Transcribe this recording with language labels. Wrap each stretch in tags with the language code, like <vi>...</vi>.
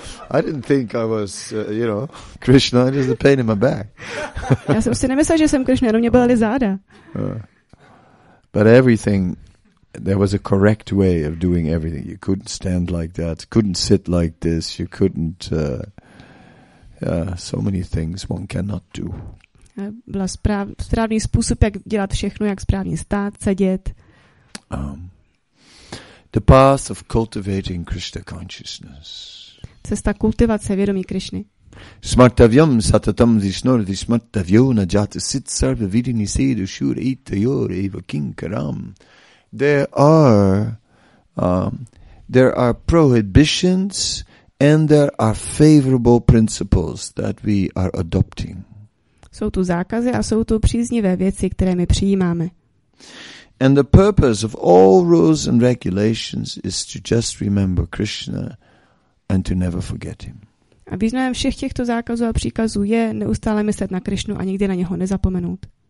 <en>I didn't think I was, you know, Krishna, it was the pain in my back.</en> <cs>Já jsem si nemyslel, že jsem Krishna, jenom mě bolely záda.</cs> <en>But everything, there was a correct way of doing everything. You couldn't stand like that, couldn't sit like this, you couldn't, so many things one cannot do.</en> <cs>Byl správný způsob, jak dělat všechno, jak správně stát, sedět.</cs> <en>The path of cultivating Krishna consciousness.</en> <cs>Cesta kultivace vědomí Krishny.</cs> <sa>Smartavyam satatam vishnur vishmartavyo na jata sit sarva vidini sedu shur ita yor eva kinkaram.</sa> <en>There are prohibitions and there are favorable principles that we are adopting.</en> <cs>Jsou tu zákazy a jsou tu příznivé věci, které my přijímáme.</cs> <en>And the purpose of all rules and regulations is to just remember Krishna and to never forget him.</en> <cs>A významem všech těchto zákazů a příkazů je neustále myslet na Krišnu a nikdy na něho nezapomenout.</cs>